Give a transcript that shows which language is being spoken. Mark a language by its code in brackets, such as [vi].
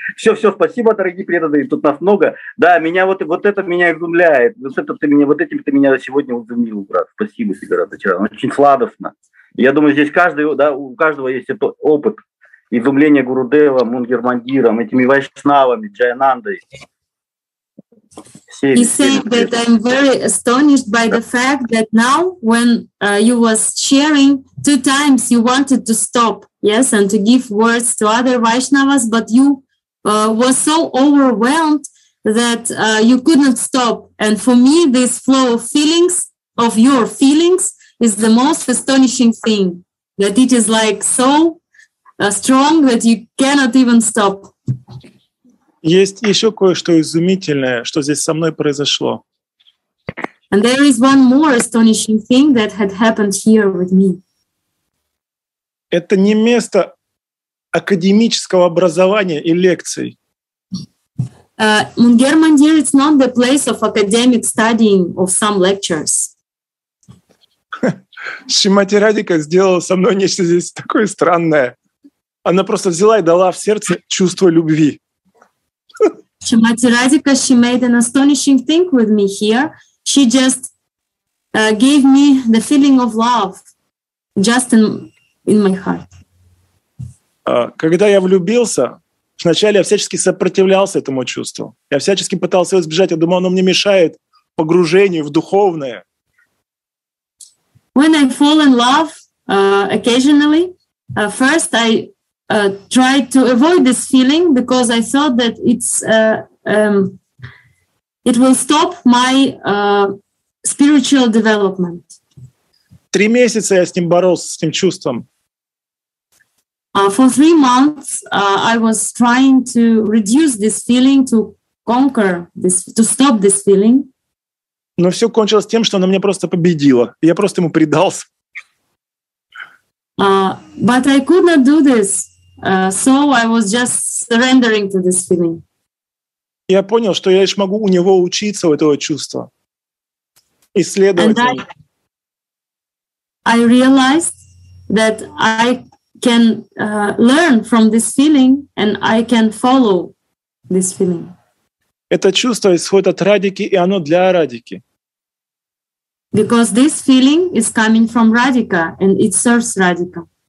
[ru] Все, спасибо, дорогие преданные, тут нас много. Да, меня вот это меня изумляет. Вот этим ты меня сегодня удивил, брат. Спасибо тебе, Радха Чаран. Очень сладостно. Я думаю, здесь каждый, да, у каждого есть этот опыт изумления Гурудева, Мунгер Мандиром, этими вайшнавами, Джайанандой. [en] He said that I'm very astonished by the fact that now when you was sharing two times you wanted to stop, yes, and to give words to other Vaishnavas, but you were so overwhelmed that you could not stop. And for me, this flow of feelings, of your feelings, is the most astonishing thing, that it is like so strong that you cannot even stop. [ru] Есть еще кое-что изумительное, что здесь со мной произошло. [en] And there is one more astonishing thing that had happened here with me. [ru] Это не место академического образования и лекций. [en] Мунгер Мандир, it's not the place of academic studying of some lectures. [ru] Шримати Радика сделала со мной нечто здесь такое странное. Она просто взяла и дала в сердце чувство любви. [en] Shrimati Radhika, she made an astonishing thing with me here. She just gave me the feeling of love just in my heart. [ru] Когда я влюбился, вначале я всячески сопротивлялся этому чувству. Я всячески пытался его избежать. Я думал, оно мне мешает погружению в духовное. [en] When I fall in love occasionally, first I tried to avoid this feeling because I thought that it will stop my spiritual development. [ru] 3 месяца я с ним боролся, с этим чувством. [en] For 3 months I was trying to reduce this feeling, to conquer this, to stop this feeling. [ru] Но все кончилось тем, что она меня просто победила. Я просто ему предался. [en] But I could not do this. So I was just surrendering to this feeling. [ru] Я понял, что я лишь могу у него учиться, у этого чувства, исследовать его. [en] I realized that I can learn from this feeling and I can follow this feeling. [ru] Это чувство исходит от Радики, и оно для Радики. [en] Because this feeling is coming from Radhika and it serves Radhika.